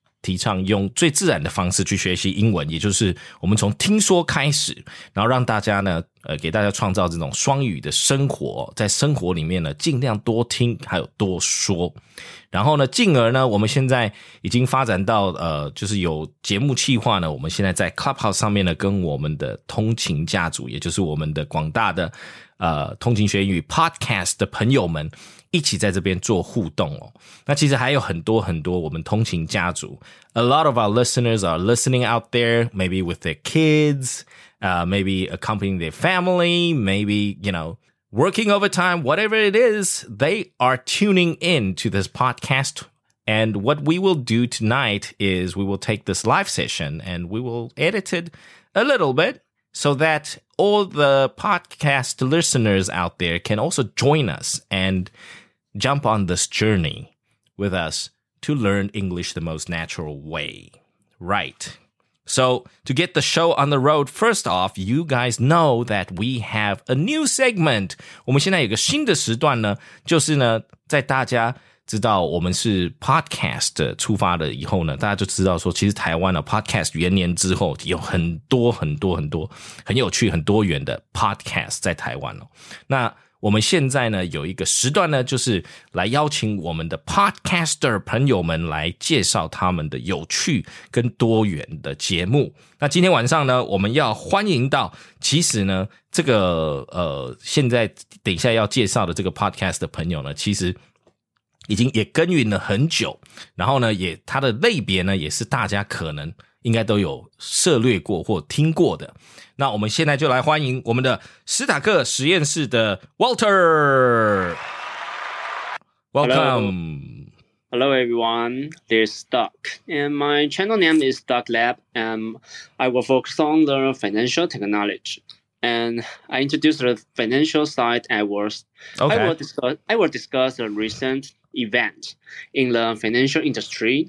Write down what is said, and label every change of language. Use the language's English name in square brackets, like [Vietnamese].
[Chinese] 提倡用最自然的方式去学习英文，也就是我们从听说开始，然后让大家呢，给大家创造这种双语的生活，在生活里面呢，尽量多听还有多说，然后呢，进而呢，我们现在已经发展到就是有节目企划呢，我们现在在 Clubhouse 上面呢，跟我们的通勤家族，也就是我们的广大的通勤学英语 Podcast 的朋友们。一起在这边做互动哦。那其实还有很多很多我们通勤家族。 [English] A lot of our listeners are listening out there, maybe with their kids, maybe accompanying their family, maybe, you know, working overtime, whatever it is, they are tuning in to this podcast. And what we will do tonight is we will take this live session and we will edit it a little bit so that all the podcast listeners out there can also join us andJump on this journey with us to learn English the most natural way. Right. So, to get the show on the road, first off, you guys know that we have a new segment. [Chinese] 我们现在有个新的时段呢，就是呢，在大家知道我们是 podcast 出发的以后呢，大家就知道说，其实台湾的 podcast 元年之后有很多很多很多很有趣、很多元的 podcast 在台湾哦。那我们现在呢有一个时段呢，就是来邀请我们的 podcaster 朋友们来介绍他们的有趣跟多元的节目。那今天晚上呢，我们要欢迎到，其实呢，这个现在等一下要介绍的这个 podcast 的朋友呢，其实已经也耕耘了很久，然后呢，也他的类别呢，也是大家可能应该都有涉略过或听过的。那我们现在就来欢迎我们的史塔克实验室的 Walter。 [English] Welcome. Hello. Hello everyone, this is Doc. And my channel name is Doc Lab. And I will focus on the financial technology. And I introduce the financial side at worst. Okay. I will discuss a recent event in the financial industry.